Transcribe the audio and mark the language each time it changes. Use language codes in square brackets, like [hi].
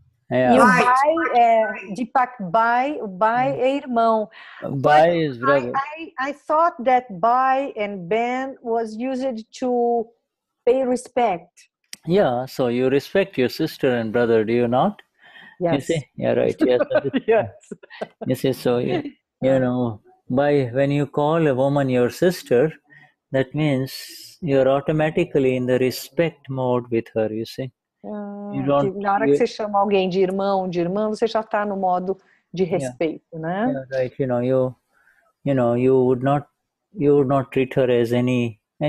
[pt] E o Bai é de Pak Bai, o Bai é irmão. [en] Bai is brother. I thought that Bai and Ben was used to pay respect. Yeah, so you respect your sister and brother, do you not? Yes. You see? Yeah, right. Yes. Yes. You see, so you know, Bai, when you call a woman your sister, that means you're automatically in the respect mode with her, you see. [pt] Na hora que você chama alguém de irmão, você já está no modo de respeito, [en] yeah. [pt] Né? [en] Yeah, right, you know, you would not treat her as any